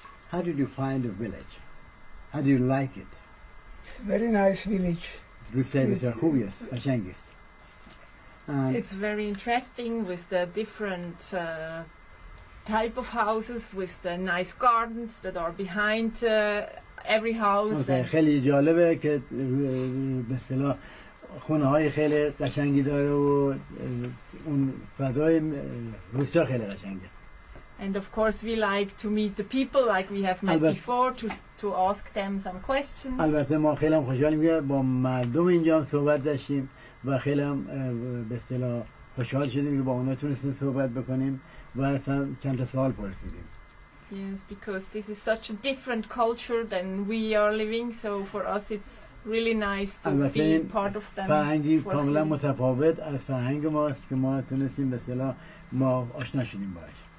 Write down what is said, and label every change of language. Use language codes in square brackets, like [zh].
[en] How did you find the village? How do you like it? It's a very nice village. You say it's a hobbyist, a shangist. It's very interesting with the different type of houses, with the nice gardens that are behind every house. [fa] Okay, خیلی جالبه که به اصطلاح خونه‌های خیلی قشنگی داره و اون فضای روستا خیلی قشنگه. [en] And of course we like to meet the people like we have met before to ask them some questions. [fa] البته ما خیلی هم خوشحالیم که با مردم اینجا صحبت داشتیم و خیلی هم به اصطلاح خوشحال شدیم که با اونا تونستیم صحبت بکنیم و اصلا چند تا سوال پرسیدیم. [en] Yes, because this is such a different culture than we are living, so for us it's really nice to be part of them. [fa] فرهنگی کاملا متفاوت از فرهنگ ماست که ما تونستیم به اصطلاح ما آشنا شدیم باهاش.